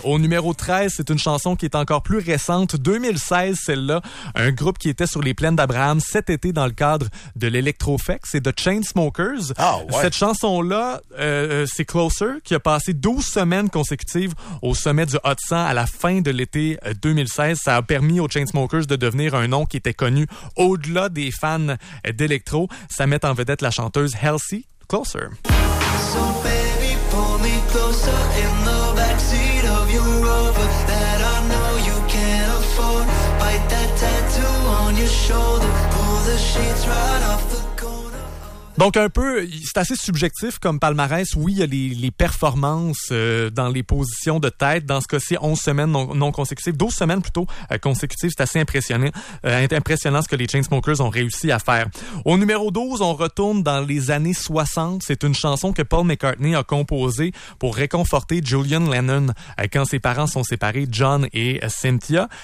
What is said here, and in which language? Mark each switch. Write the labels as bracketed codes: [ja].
[fr] Au numéro 13, c'est une chanson qui est encore plus récente. 2016, celle-là, un groupe qui était sur les plaines d'Abraham cet été dans le cadre de l'Electrofex et de Chainsmokers. Oh, ouais. Cette chanson-là, c'est Closer, qui a passé 12 semaines consécutives au sommet du Hot 100 à la fin de l'été 2016. Ça a permis aux Chainsmokers de devenir un nom qui était connu au-delà des fans d'électro. Ça met en vedette la chanteuse Halsey, Closer. [en] So baby, pull me closer in the backseat of your Rover that I know you can't afford. Bite that tattoo on your shoulder, pull the sheets right off the... [fr] Donc un peu, c'est assez subjectif comme palmarès. Oui, il y a les performances dans les positions de tête. Dans ce cas-ci, 11 semaines non consécutives, 12 semaines plutôt consécutives. C'est assez impressionnant ce que les Chainsmokers ont réussi à faire. Au numéro 12, on retourne dans les années 60. C'est une chanson que Paul McCartney a composée pour réconforter Julian Lennon quand ses parents sont séparés, John et Cynthia.